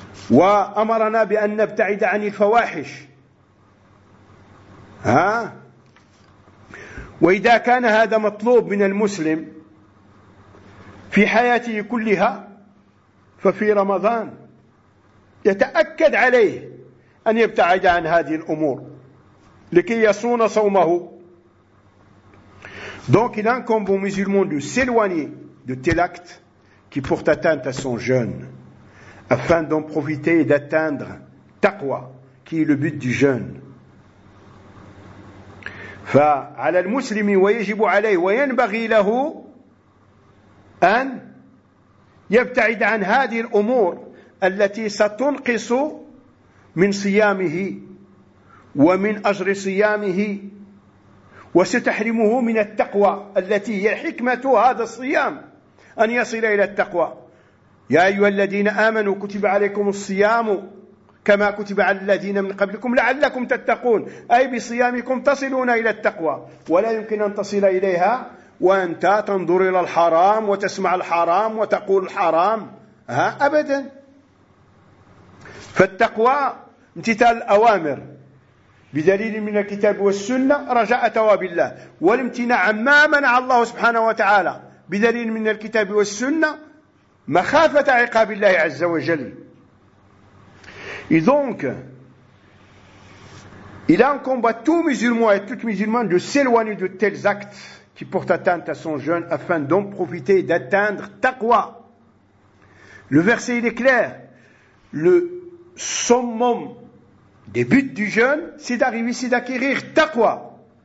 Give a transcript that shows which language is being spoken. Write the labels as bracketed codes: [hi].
[ar] wa amarana bi an nabta'ida anil fawahish ha wa idha kana hada matloub min al-muslim fi hayatihi kulliha ففي رمضان يتأكد عليه أن يبتعد عن هذه الأمور لكي يصون صومه. [fr] Donc il incombe aux musulmans de s'éloigner de tel acte qui porte atteinte à son jeûne, afin d'en profiter et d'atteindre taqwa, qui est le but du jeûne. [ar] فعلى المسلم ويجب عليه وينبغي له أن يبتعد عن هذه الأمور التي ستنقص من صيامه ومن أجر صيامه وستحرمه من التقوى التي هي حكمة هذا الصيام أن يصل إلى التقوى. يا أيها الذين آمنوا كتب عليكم الصيام كما كتب على الذين من قبلكم لعلكم تتقون أي بصيامكم تصلون إلى التقوى ولا يمكن أن تصل إليها وأنت تنظر إلى الحرام وتسمع الحرام وتقول الحرام ها أبدا. فالتقوى امتثال الأوامر بدليل من الكتاب والسنة رجاء ثواب الله والامتناع عما منع الله سبحانه وتعالى بدليل من الكتاب والسنة مخافة عقاب الله عز وجل. [fr] إذنك il incombe à tout musulman et toute musulmane de s'éloigner de tels actes qui porte atteinte à son jeûne afin d'en profiter et d'atteindre taqwa. Le verset, il est clair. Le summum des buts du jeûne, c'est d'arriver, c'est d'acquérir taqwa.